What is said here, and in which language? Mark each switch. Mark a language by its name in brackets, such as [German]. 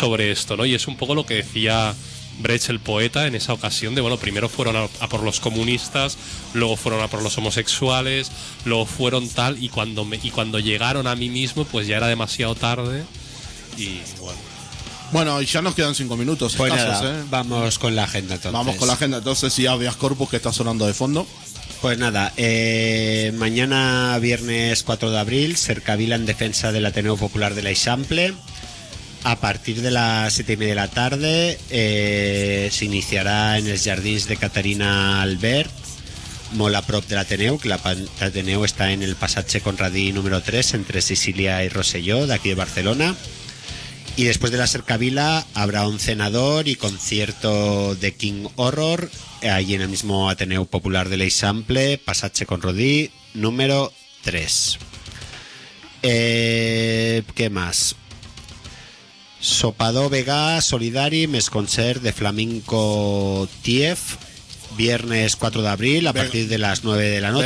[Spanish] esto, ¿no? Y es un poco lo que decía Brecht, el poeta, en esa ocasión de, bueno, primero fueron a por los comunistas, luego fueron a por los homosexuales, luego fueron tal, y cuando llegaron a mí mismo, pues ya era demasiado tarde, y bueno... Bueno, y ya nos quedan 5 minutos. Pues escasos, nada, vamos con la agenda entonces. Vamos con la agenda entonces, y habeas corpus que está sonando de fondo. Pues nada, mañana viernes 4 de abril, Cercavila en defensa del Ateneo Popular de la Eixample. A partir de las 7:30 de la tarde se iniciará en el Jardins de Caterina Albert, [Catalan] molt a prop de l'Ateneu, que l'Ateneu està en el passatge Conradí número 3 entre Sicília i Rosselló, d'aquí de Barcelona. [Spanish] Y después de la cercavila habrá un cenador y concierto de King Horror allí en el mismo Ateneu Popular de l'Eixample, Passatge Conradí número 3. ¿Qué más? Sopado Vegà Solidari més concert de flamenco Tief, viernes 4 de abril a partir de las 9 de la noche.